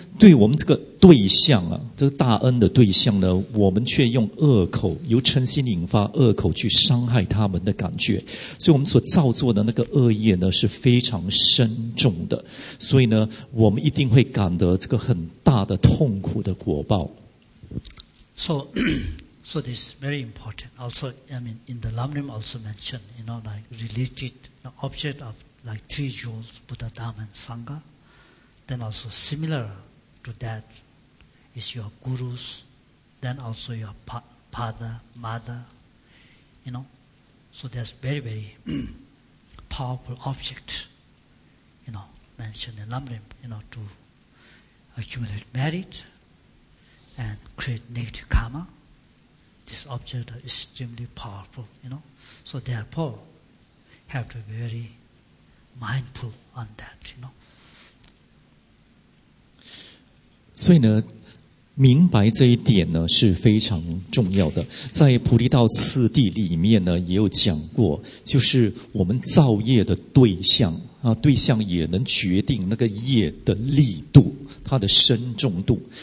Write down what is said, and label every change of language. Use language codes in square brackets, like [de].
[zh] 对我们这个对象啊，这个大恩的对象呢，我们却用恶口，由嗔心引发恶口去伤害他们的感觉，所以我们所造作的那个恶业呢是非常深重的，所以呢，我们一定会感得这个很大的痛苦的果报。 [en] So this is very important. Also, I mean, in the Lamrim also mentioned, you know, like related the object of like three jewels, Buddha, Dhamma, and Sangha, then also similar. To that is your gurus, then also your father, mother, you know. So that's very, very powerful object, you know, mentioned in Lamrim, you know, to accumulate merit and create negative karma. This object is extremely powerful, you know. So therefore, have to be very mindful on that, you know. [zh] 所以呢，明白这一点呢是非常重要的。在菩提道次第里面呢也有讲过，就是我们造业的对象啊，对象也能决定那个业的力度，它的深重度。